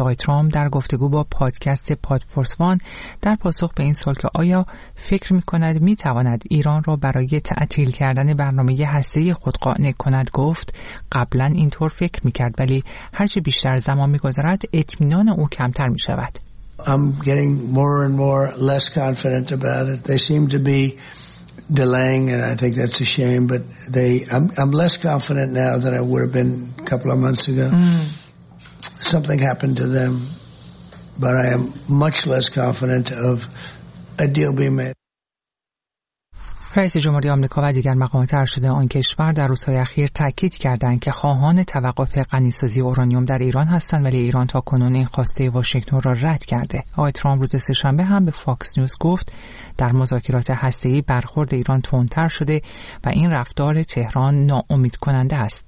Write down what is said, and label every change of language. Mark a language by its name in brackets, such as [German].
[Persian] آقای ترامپ در گفتگو با پادکست پاد فورس وان در پاسخ به این سوال که آیا فکر میکند میتواند ایران را برای تعطیل کردن برنامه هسته‌ای خود قانع کند گفت قبلا اینطور فکر میکرد، ولی هرچه بیشتر زمان میگذرد اطمینان او کمتر میشود. [English] I'm getting more and more less confident about it. They seem to be delaying, and I think that's a shame. But I'm less confident now than I would have been a couple of months ago. Something happened to them, but I am much less confident of a deal being made. [Persian] رئیس جمهوری آمریکا و دیگر مقامات ارشد آن کشور در روزهای اخیر تاکید کردند که خواهان توقف غنی‌سازی اورانیوم در ایران هستند، ولی ایران تا کنون این خواسته واشنگتن را رد کرده. آقای ترامپ روز سه‌شنبه هم به فاکس نیوز گفت در مذاکرات هسته‌ای برخورد ایران تندتر شده و این رفتار تهران ناامیدکننده است.